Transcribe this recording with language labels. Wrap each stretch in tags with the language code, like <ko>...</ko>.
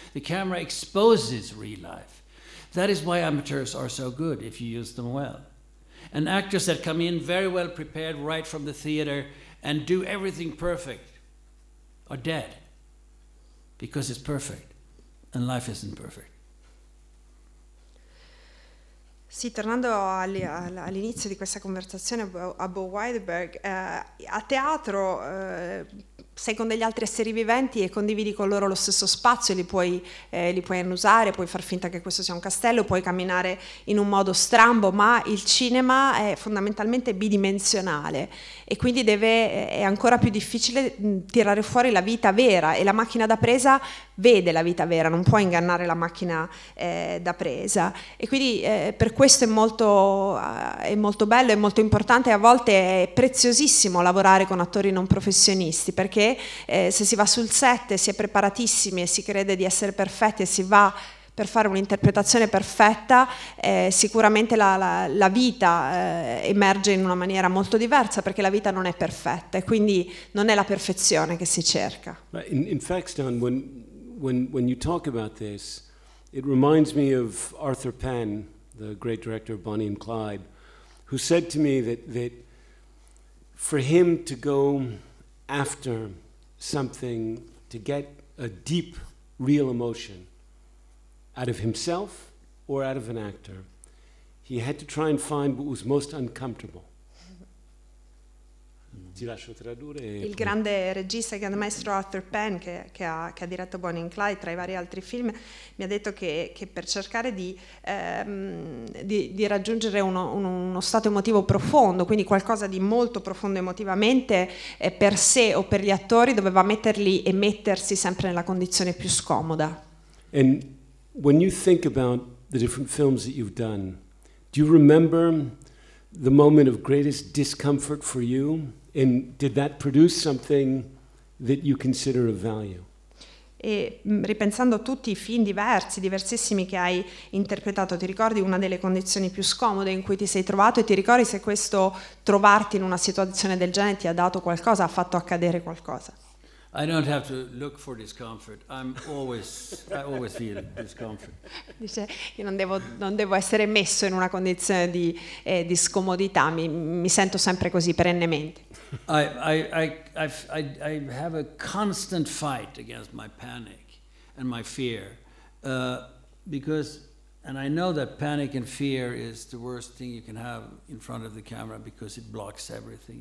<en>The camera exposes real life. That is why amateurs are so good if you use them well. And actors that come in very well prepared right from the theater and do everything perfect are dead, because it's perfect and life isn't perfect.</en> <it>Sì, tornando all'inizio di questa conversazione a Bo Widerberg, a teatro sei con degli altri esseri viventi e condividi con loro lo stesso spazio, li puoi annusare, puoi far finta che questo sia un castello, puoi camminare in un modo strambo, ma il cinema è fondamentalmente bidimensionale e quindi è ancora più difficile tirare fuori la vita vera, e la macchina da presa vede la vita vera, non può ingannare la macchina da presa, e quindi per questo è molto bello, è molto importante, e a volte è preziosissimo lavorare con attori non professionisti, perché se si va sul set e si è preparatissimi e si crede di essere perfetti e si va per fare un'interpretazione perfetta, sicuramente la vita emerge in una maniera molto diversa, perché la vita non è perfetta e quindi non è la perfezione che si cerca.</it> <en>In fact, Stan, when you talk about this, it reminds me of Arthur Penn, the great director of Bonnie and Clyde, who said to me that for him to go after something, to get a deep, real emotion out of himself or out of an actor, he had to try and find what was most uncomfortable.</en> <it>Ti lascio tradurre. Il grande regista, il grande maestro Arthur Penn, che ha diretto Bonnie and Clyde tra i vari altri film, mi ha detto che per cercare di raggiungere uno stato emotivo profondo, quindi qualcosa di molto profondo emotivamente per sé o per gli attori, doveva metterli e mettersi sempre nella condizione più scomoda.</it> <en>And when you think about the different films that you've done, do you remember the moment of greatest discomfort for you? And did that produce something that you consider of value?</en> <it>E ripensando a tutti i film diversi, diversissimi che hai interpretato, ti ricordi una delle condizioni più scomode in cui ti sei trovato e ti ricordi se questo trovarti in una situazione del genere ti ha dato qualcosa, ha fatto accadere qualcosa?</it> <en>I don't have to look for discomfort. I always feel discomfort.</en> <it>Dice, io non devo essere messo in una condizione di scomodità. Mi sento sempre così perennemente.</it> <en>I have a constant fight against my panic and my fear, because I know that panic and fear is the worst thing you can have in front of the camera because it blocks everything.</en>